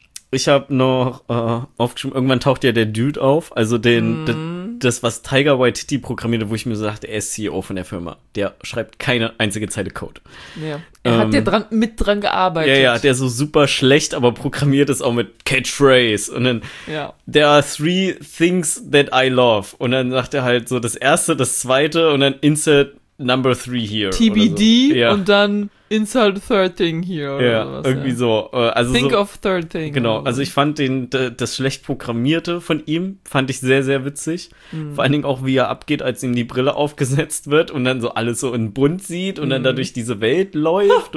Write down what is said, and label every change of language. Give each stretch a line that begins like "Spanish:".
German: Ich habe noch aufgeschrieben, irgendwann taucht ja der Dude auf, also das, was Tiger Waititi programmierte, wo ich mir so dachte, er ist CEO von der Firma. Der schreibt keine einzige Zeile Code. Ja. Er hat ja dran gearbeitet. Ja, der so super schlecht, aber programmiert ist auch mit Catchphrase. Und dann,
English: there are three things that I love.
German: Und dann sagt er halt so, das erste, das zweite und dann
English: insert number three here. TBD
German: so. Ja. Und dann
English: insert third thing here
German: oder sowas. Irgendwie so. Also
English: think so, of third thing.
German: Genau, also ich fand das schlecht Programmierte von ihm, fand ich sehr, sehr witzig. Vor allen Dingen auch, wie er abgeht, als ihm die Brille aufgesetzt wird und dann so alles so in bunt sieht und dann dadurch diese Welt läuft.